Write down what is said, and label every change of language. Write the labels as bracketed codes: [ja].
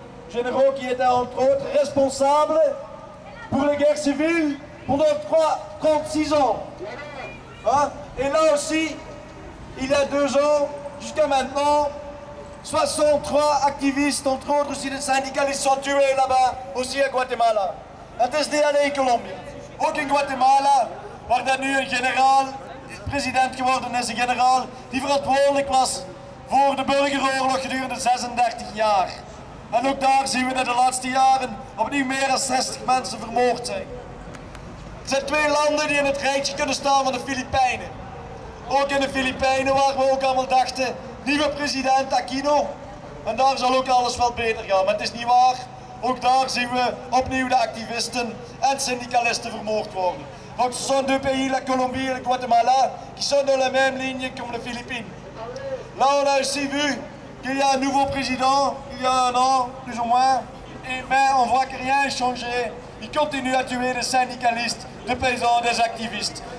[fr] Général qui était entre autres responsable pour les guerres civiles pendant 36 ans. Hein? Et là aussi, il y a 2 ans, jusqu'à maintenant, 63 activistes, entre autres aussi des syndicalistes, sont tués là-bas, aussi à Guatemala. Un test d'aller en Colombie. [nl] Ook in Guatemala, waar dan nu een generaal, president geworden is, een generaal die verantwoordelijk was voor de burgeroorlog gedurende 36 jaar. En ook daar zien we dat de laatste jaren opnieuw meer dan 60 mensen vermoord zijn. Het zijn 2 landen die in het rijtje kunnen staan van de Filipijnen. Ook in de Filipijnen, waar we ook allemaal dachten, nieuwe president Aquino. En daar zal ook alles wel beter gaan, maar het is niet waar. Ook daar zien we opnieuw de activisten en syndicalisten vermoord worden. [fr] Donc ce sont deux pays, la Colombie et le Guatemala, qui sont dans la même ligne comme les Philippines. Là, on a aussi vu qu'il y a un nouveau président, il y a un an, plus ou moins, et mais on voit que rien n'a changé. Il continue à tuer des syndicalistes, des paysans, des activistes.